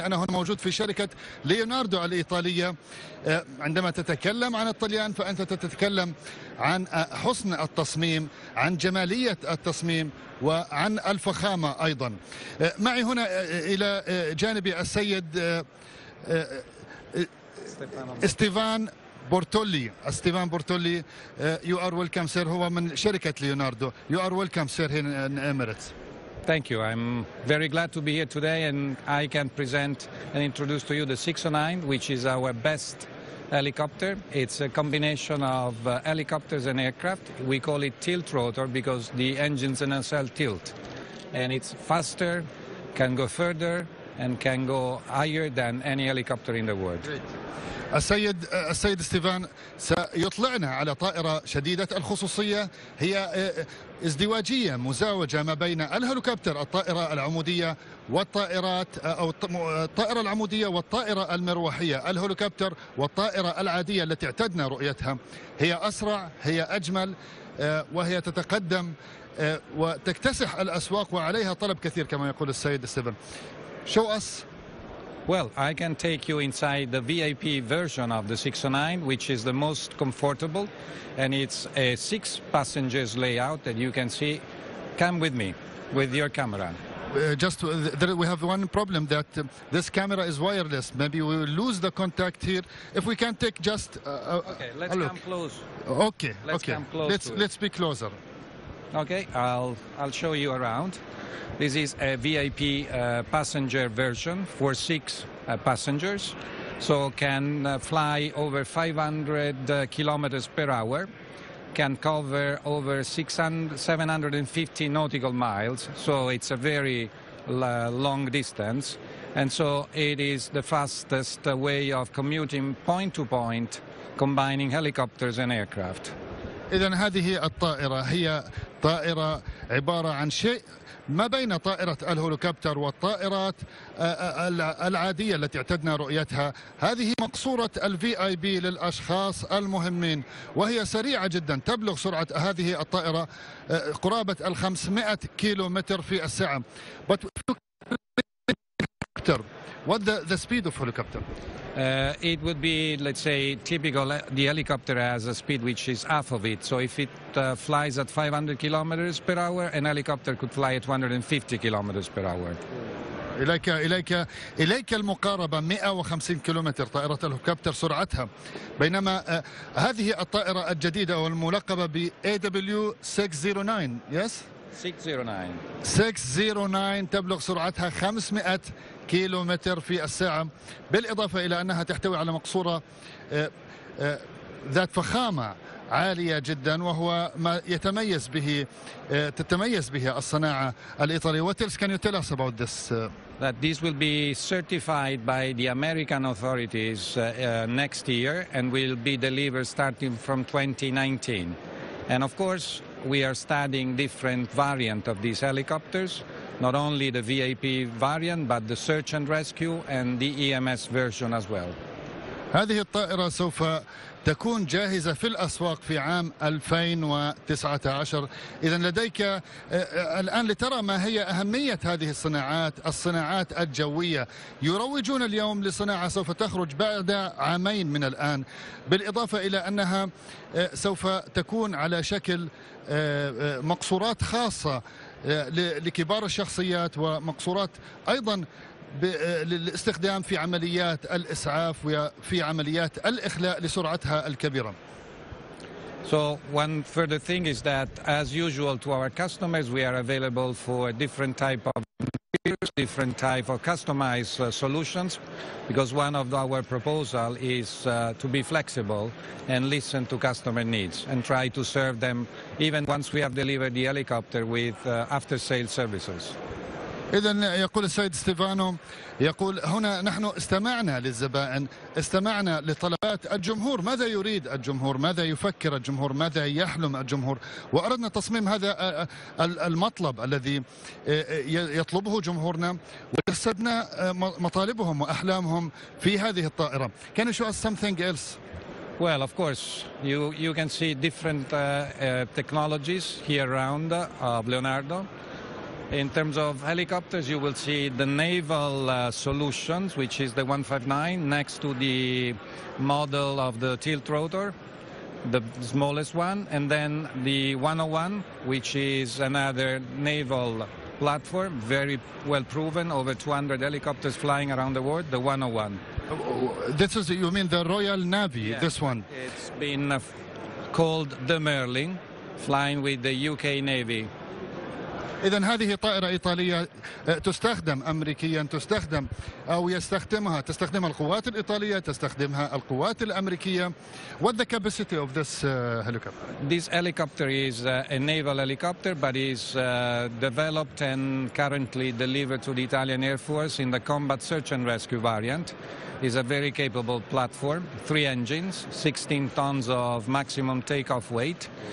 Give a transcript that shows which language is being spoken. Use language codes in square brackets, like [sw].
[ar] أنا هنا موجود في شركة ليوناردو الإيطالية. عندما تتكلم عن الطليان فأنت تتكلم عن حسن التصميم, عن جمالية التصميم وعن الفخامة أيضا. معي هنا إلى جانبي السيد ستيفان بورتولي. [en] Stefan Bortoli, you are welcome sir. [ar] هو من شركة ليوناردو. [en] You are welcome sir here in Emirates. Thank you. I'm very glad to be here today and I can present and introduce to you the 609, which is our best helicopter. It's a combination of helicopters and aircraft. We call it tilt rotor because the engines and nacelle tilt, and it's faster, can go further and can go higher than any helicopter in the world. [ar] السيد ستيفان سيطلعنا على طائرة شديدة الخصوصية, هي ازدواجية مزاوجة ما بين الهليكوبتر الطائرة العمودية والطائرات أو الطائرة العمودية والطائرة المروحية. الهليكوبتر والطائرة العادية التي اعتدنا رؤيتها هي أسرع, هي أجمل, وهي تتقدم وتكتسح الأسواق وعليها طلب كثير كما يقول السيد ستيفان. [en] Show us. Well, I can take you inside the VIP version of the 609, which is the most comfortable, and it's a 6 passengers layout that you can see. Come with me, with your camera. just we have one problem that this camera is wireless. Maybe we will lose the contact here. If we can take just Okay, let's come close. Okay, let's okay. Come close let's be closer. Okay, I'll show you around. This is a VIP passenger version for six passengers. So can fly over 500 kilometers per hour, can cover over 750 nautical miles. So it's a very long distance. And so it is the fastest way of commuting point to point, combining helicopters and aircraft. [ar] إذن هذه الطائرة هي طائرة عبارة عن شيء ما بين طائرة الهليكوبتر والطائرات العادية التي اعتدنا رؤيتها. هذه مقصورة الفي اي بي للأشخاص المهمين، وهي سريعة جدا، تبلغ سرعة هذه الطائرة قرابة 500 كيلومتر في الساعة. [en] But the speed of helicopter? It would be, let's say, typical. The helicopter has a speed which is half of it. So if it flies at 500 kilometers per hour, an helicopter could fly at 250 kilometers per hour. [ar] إليك المقاربة 150 كيلومتر طائرة الهليكوبتر سرعتها، بينما هذه الطائرة الجديدة والملقبة بـ AW609 yes. [en] 609 [ar] تبلغ سرعتها 500 كيلومتر في الساعة، بالإضافة إلى أنها تحتوي على مقصورة ذات فخامة عالية جدا، وهو ما يتميز به تتميز به الصناعة الإيطالية. [en] What else can you tell us about this? That this will be certified by the American authorities next year and will be delivered starting from 2019. And of course, we are studying different variants of these helicopters, not only the VIP variant, but the search and rescue and the EMS version as well. [ar] هذه الطائرة سوف تكون جاهزة في الأسواق في عام 2019. إذن لديك الآن لترى ما هي أهمية هذه الصناعات الجوية. يروجون اليوم لصناعة سوف تخرج بعد عامين من الآن، بالإضافة إلى أنها سوف تكون على شكل مقصورات خاصة لكبار الشخصيات، ومقصورات أيضا للاستخدام في عمليات الإسعاف وفي عمليات الإخلاء لسرعتها الكبيرة. [en] So one further thing is that as usual to our customers we are available for different type of different type of customized solutions because one of our proposal is to be flexible and listen to customer needs and try to serve them even once we have delivered the helicopter with after sale services. [ar] إذن يقول السيد ستيفانو، يقول هنا نحن استمعنا للزبائن، استمعنا لطلبات الجمهور، ماذا يريد الجمهور، ماذا يفكر الجمهور، ماذا يحلم الجمهور، وأردنا تصميم هذا المطلب الذي يطلبه جمهورنا، وجسدنا مطالبهم وأحلامهم في هذه الطائرة. [en] Can you show us something else? Well, of course, you can see different technologies here around of Leonardo. In terms of helicopters, you will see the naval solutions, which is the 159, next to the model of the tilt rotor, the smallest one, and then the 101, which is another naval platform, very well proven, over 200 helicopters flying around the world, the 101. This is, you mean the Royal Navy, yeah, this one? It's been called the Merlin, flying with the UK Navy. [ar] إذن هذه طائرة إيطالية تستخدم أمريكيا، تستخدم أو يستخدمها تستخدم القوات الإيطالية، تستخدمها القوات الأمريكية. [en] What the capacity of this helicopter? This helicopter is a naval helicopter but is developed and currently delivered to the Italian Air Force in the combat search and rescue variant. It's a very capable platform, three engines, 16 tons of maximum takeoff weight.